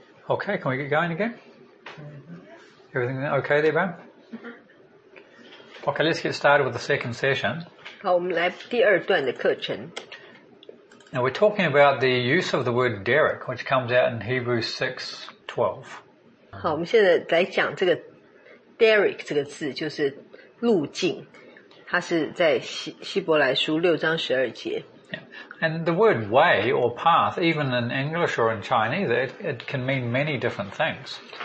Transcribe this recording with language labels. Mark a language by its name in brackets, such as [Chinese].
[English] Okay, can we get going again? Everything okay there, Bram? Mm-hmm. Okay, let's get started with the second session. [Chinese] 好，我们来第二段的课程。 [English] Now we're talking about the use of the word derech, which comes out in Hebrews 6:12. [Chinese] 好，我们现在来讲这个 derech 这个字，就是路径，它是在希伯来书六章十二节。 [English] And the word way or path, even in English or in Chinese, it can mean many different things.